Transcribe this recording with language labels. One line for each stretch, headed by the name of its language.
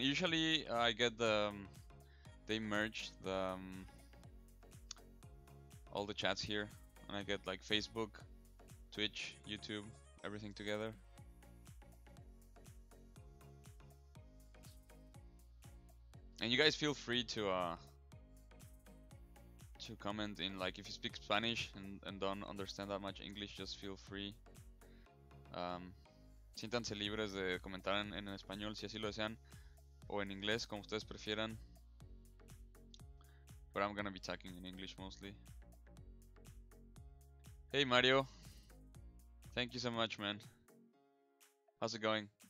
English: Usually I get they merge the all the chats here, and I get like Facebook, Twitch, YouTube, everything together. And you guys feel free to comment in, like, if you speak Spanish and don't understand that much English, just feel free.
Spanish: Siéntanse libres de comentar en español si así lo desean, o en inglés, como ustedes prefieran.
English: But I'm gonna be talking in English mostly. Hey Mario, thank you so much, man. How's it going?